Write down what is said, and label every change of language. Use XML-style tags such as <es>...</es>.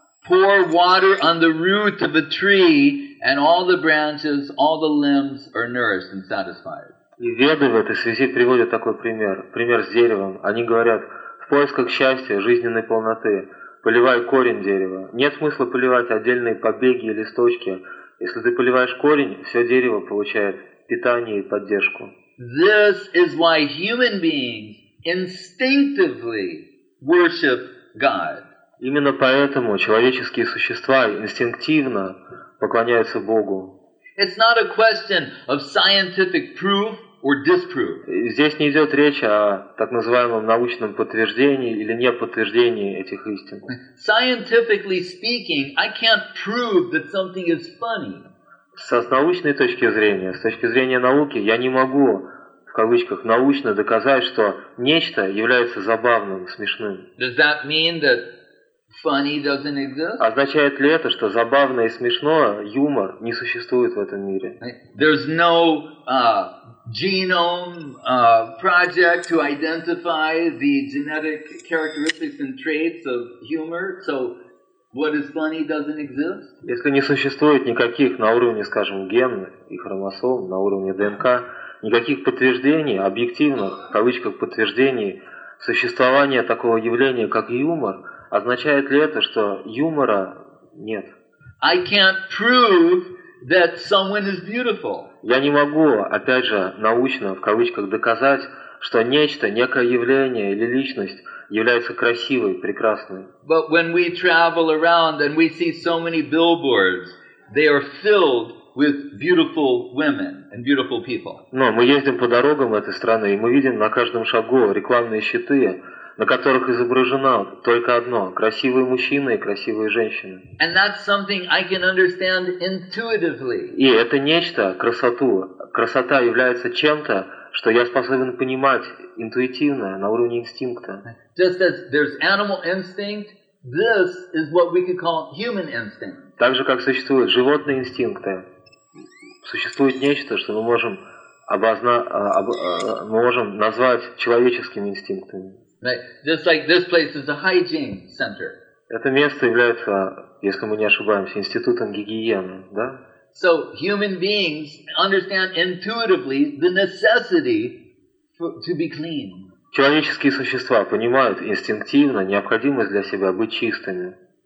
<en>Pour water on the root of a tree, and all the branches, all the limbs are nourished and satisfied.</en> <ru>И Веды в этой связи приводят такой пример. Пример с деревом. Они говорят, в поисках счастья, жизненной полноты, поливай корень дерева. Нет смысла поливать отдельные побеги и листочки. Если ты поливаешь корень, все дерево получает питание и поддержку.</ru> <en>This is why human beings instinctively worship God.</en> <ru>Именно поэтому человеческие существа инстинктивно поклоняются Богу.</ru> <en>It's not a question of scientific proof or disproof.</en> <ru>Здесь не идет речь о так называемом научном подтверждении или неподтверждении этих истин.</ru> <en>Scientifically speaking, I can't prove that something is funny.</en> <ru>С научной точки зрения, с точки зрения науки, я не могу, в кавычках, научно доказать, что нечто является забавным, смешным.</ru> <en>Does that mean that funny doesn't exist?</en> <ru>Означает ли это, что забавное и смешное, юмор, не существует в этом мире?</ru> <en>There's no genome project to identify the genetic characteristics and traits of humor, so what is funny doesn't exist?</en> <ru>Если не существует никаких на уровне, скажем, ген и хромосом, на уровне ДНК, никаких подтверждений, объективных, в кавычках, подтверждений существования такого явления, как юмор, означает ли это, что юмора нет?</ru> <en>I can't prove that someone is beautiful.</en> <ru>Я не могу, опять же, научно, в кавычках, доказать, что нечто, некое явление или личность является красивой, прекрасной.</ru> <en>But when we travel around and we see so many billboards, they are filled with beautiful women and beautiful people.</en> <ru>Но мы ездим по дорогам этой страны, и мы видим на каждом шагу рекламные щиты, на которых изображено только одно – красивые мужчины и красивые женщины.</ru> <en>And that's something I can understand intuitively.</en> <ru>И это нечто, красоту. Красота является чем-то, что я способен понимать интуитивно, на уровне инстинкта.</ru> <en>Just as there's animal instinct, this is what we could call human instinct.</en> <ru>Так же, как существуют животные инстинкты, существует нечто, что мы можем, мы можем назвать человеческими инстинктами.</ru> <en>Just like this place is a hygiene center.</en> <ru>Это место является, если мы не ошибаемся, институтом гигиены, да?</ru> <en>So human beings understand intuitively the necessity to be clean.</en> <ru>Человеческие существа понимают инстинктивно необходимость для себя быть чистыми.</ru>